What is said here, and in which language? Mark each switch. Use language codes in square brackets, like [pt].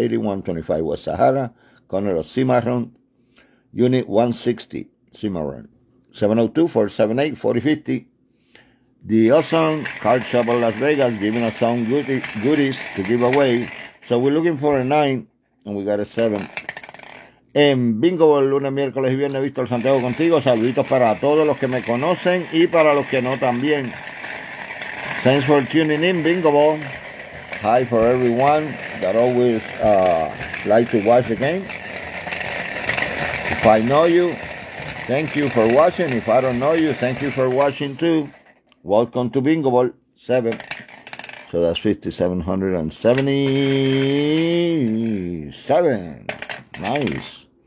[en] 8125 West Sahara, corner of Cimarron, unit 160, Cimarron, 702-478-4050. The Awesome Card Shop of Las Vegas giving us some goodies to give away. So we're looking for a 9, and we got a 7. [es] En Bingo, el lunes, miércoles y viernes, Víctor Santiago contigo. Saluditos para todos los que me conocen y para los que no también. [en] Thanks for tuning in, Bingo Ball. Hi for everyone that always like to watch the game. If I know you, thank you for watching. If I don't know you, thank you for watching too. Welcome to Bingo Ball 7. So that's 5777. Nice.